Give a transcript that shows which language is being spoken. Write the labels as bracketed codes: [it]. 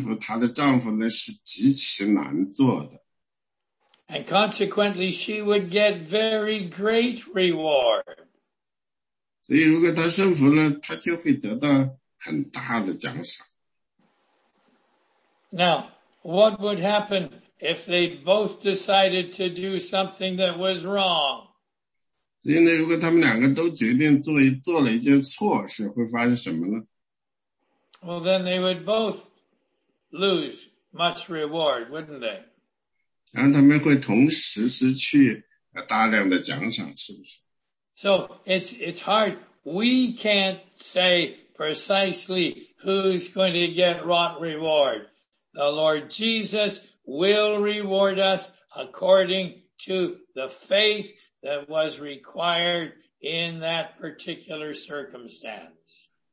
[zh] 因为有时候呢，那个丈夫呢，做了一个错误的决定，做了错误的事儿，在这种情况下呢，要女人去顺服她的丈夫呢，是极其难做的。 [en] And consequently, she would get very great reward. [zh] 所以如果她顺服了，她就会得到很大的奖赏。 [en] Now, what would happen if they both decided to do something that was wrong? [zh] 所以呢，如果他们两个都决定做了一件错事，会发生什么呢？ [en] Well, then they would both lose much reward, wouldn't they? [zh] 然后他们会同时失去大量的奖赏，是不是？ [en] So it's hard. We can't say precisely who's going to get what reward. The Lord Jesus will reward us according to the faith that was required in that particular circumstance.